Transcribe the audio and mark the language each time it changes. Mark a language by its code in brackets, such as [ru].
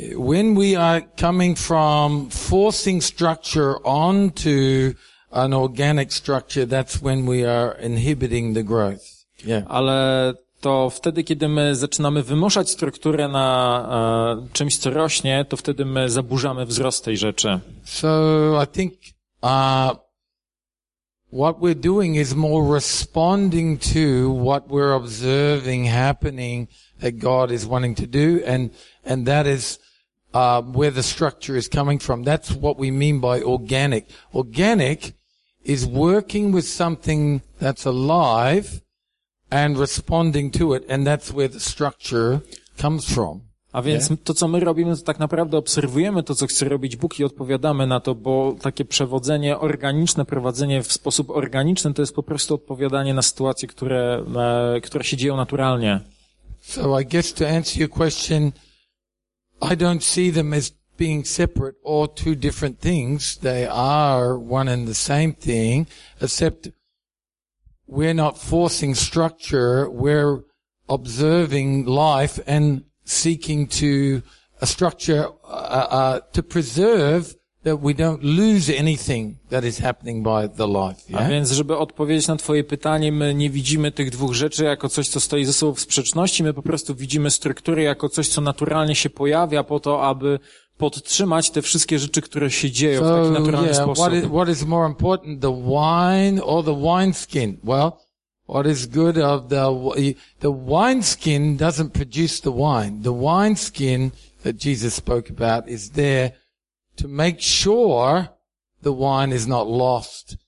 [en] When we are coming from forcing structure onto an organic structure, that's when we are inhibiting the growth. Yeah. [pl] Ale to wtedy, kiedy my zaczynamy wymuszać strukturę na czymś, co rośnie, to wtedy my zaburzamy wzrost tej rzeczy. [en] So I think what we're doing is more responding to what we're observing happening that God is wanting to do, and that is where the structure is coming from. That's what we mean by organic. Organic is working with something that's alive and responding to it, and that's where the structure comes from. [pl] A więc to, co my robimy, to tak naprawdę obserwujemy to, co chce robić Bóg i odpowiadamy na to, bo takie przewodzenie organiczne, prowadzenie w sposób organiczny, to jest po prostu odpowiadanie na sytuacje, które się dzieją naturalnie. [en] So I guess to answer your question, I don't see them as being separate or two different things. They are one and the same thing, except we're not forcing structure, we're observing life and seeking to a structure to preserve that we don't lose anything that is happening by the life. Yeah? [pl] A więc, żeby odpowiedzieć na twoje pytanie, my nie widzimy tych dwóch rzeczy jako coś, co stoi ze sobą w sprzeczności. My po prostu widzimy strukturę jako coś, co naturalnie się pojawia po to, aby podtrzymać te wszystkie rzeczy, które się dzieją so, w taki naturalny yeah, sposób. [en] What is more important, the wine or the wineskin? Well, what is good of the wineskin doesn't produce the wine. The wineskin that Jesus spoke about is there to make sure the wine is not lost.